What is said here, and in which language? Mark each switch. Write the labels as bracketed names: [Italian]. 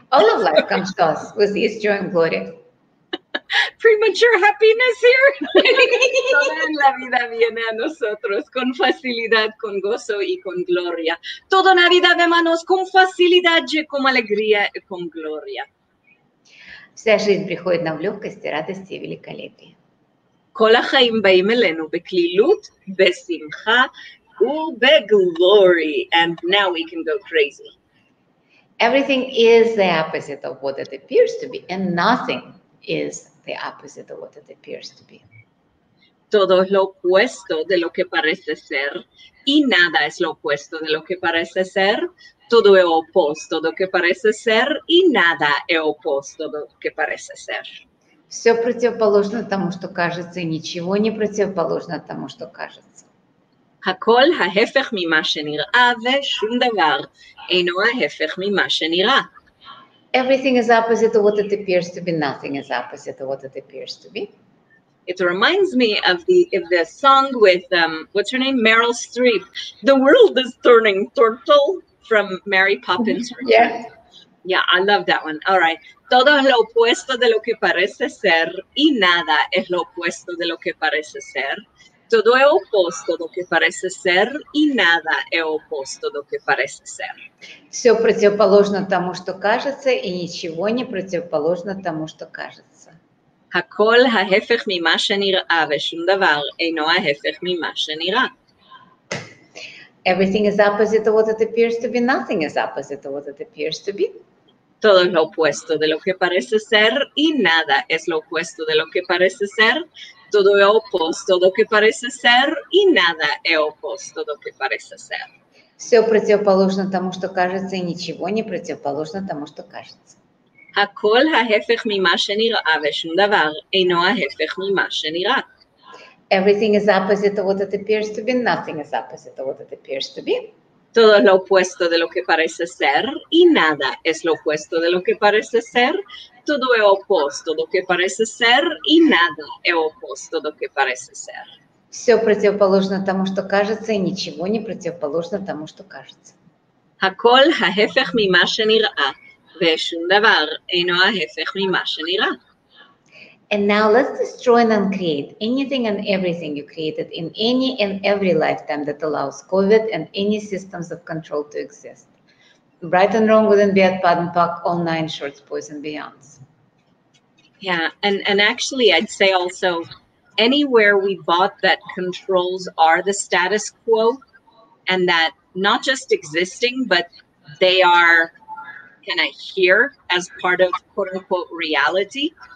[English] All of life comes to us with ease, joy, and glory. Premature happiness here. [Spanish] Toda la vida viene a nosotros con facilidad, con gozo y con gloria. Toda la vida vemos con facilidad y con alegría y con gloria. [Russian] Вся жизнь приходит нам в легкости, радости и великолепии. [Hebrew] Кол хаим баим элену беклилут, бесимха у беглори. [English] And now we can go crazy. Everything is the opposite of what it appears to be, and nothing is the opposite of what it appears to be. [Spanish] Todo es lo opuesto de lo que parece ser, y nada es lo opuesto de lo que parece ser. Todo es opuesto de lo que parece ser, y nada es opuesto de lo que parece ser. [Russian] Все противоположно тому, что кажется, и ничего не противоположно тому, что кажется. [Hebrew] הכל ההפך ממה שנראה, ושום דבר אינו ההפך ממה שנראה. [English] Everything is opposite to what it appears to be. Nothing is opposite to what it appears to be. It reminds me of the song with, what's her name? Meryl Streep. The world is turning turtle from Mary Poppins. Yeah, I love that one. All right. [Spanish] Todo es lo opuesto de lo que parece ser y nada es lo opuesto de lo que parece ser. Todo es opuesto lo que parece ser y nada es opuesto lo que parece ser. [Russian] Все противоположно тому, что кажется, и ничего не противоположно тому, что кажется. [Hebrew] הכל ההפך ממה שנראה ושום דבר אינו ההפך ממה שנראה. [English] Everything is opposite to what it appears to be. Nothing is opposite to what it appears to be. [Spanish] Todo es lo opuesto de lo que parece ser y nada es lo opuesto de lo que parece ser. Todo es opuesto de lo que parece ser y nada es opuesto de lo que parece ser. [Russian] Все противоположно тому, что кажется, и ничего не противоположно тому, что кажется. [Hebrew] הכל ההפך ממה שנראה ושום דבר אינו ההפך ממה שנראה. [English] Everything is opposite to what it appears to be. Nothing is opposite to what it appears to be. [Spanish] Todo lo opuesto de lo que parece ser y nada es lo opuesto de lo que parece ser. Todo es opuesto de lo que parece ser y nada es opuesto de lo que parece ser. [Russian] Все противоположно тому, что кажется, и ничего не противоположно тому, что кажется. [Hebrew] הכל ההפך ממה שנראה, ושום דבר אינו ההפך ממה שנראה. [English] And now let's destroy and uncreate anything and everything you created in any and every lifetime that allows COVID and any systems of control to exist. Right and wrong, good and bad, pad and pack, all 9 shorts, boys and beyonds. Yeah, and actually I'd say also anywhere we bought that controls are the status quo and that not just existing, but they are kind of here as part of quote unquote reality.